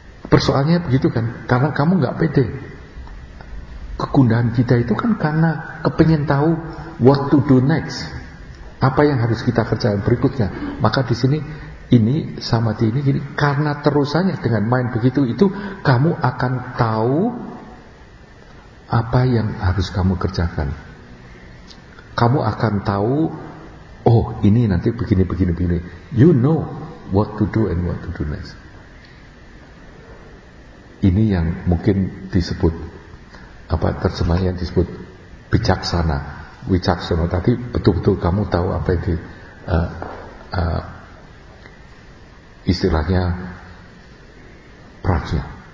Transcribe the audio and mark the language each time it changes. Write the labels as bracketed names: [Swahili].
[Indonesian] Persoalannya begitu kan? Karena kamu nggak pede. Kegundahan kita itu kan karena kepengen tahu [English] what to do next, [Indonesian] apa yang harus kita kerjakan berikutnya. Maka di sini ini sama di ini, jadi karena terusannya dengan main begitu itu, kamu akan tahu apa yang harus kamu kerjakan. Kamu akan tahu, oh ini nanti begini begini begini. [English] You know what to do and what to do next. [Indonesian] Ini yang mungkin disebut apa, terjemahan yang disebut bijaksana, wicaksana. Tapi betul-betul kamu tahu apa yang di istilahnya prajna.